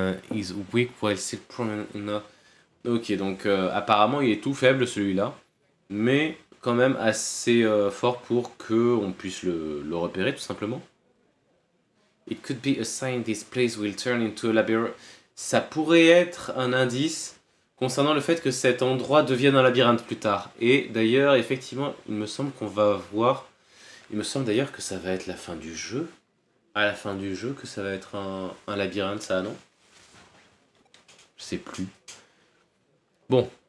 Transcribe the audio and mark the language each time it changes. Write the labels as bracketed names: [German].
[English] Is weak while still prone. [French] Ok, donc apparemment il est tout faible celui-là. Mais quand même assez fort pour qu'on puisse le repérer tout simplement. [English] It could be a sign this place will turn into a labyrinth. [French] Ça pourrait être un indice concernant le fait que cet endroit devienne un labyrinthe plus tard. Et d'ailleurs, effectivement, il me semble d'ailleurs que ça va être la fin du jeu. À la fin du jeu, que ça va être un labyrinthe, ça, non? Je sais plus. Bon.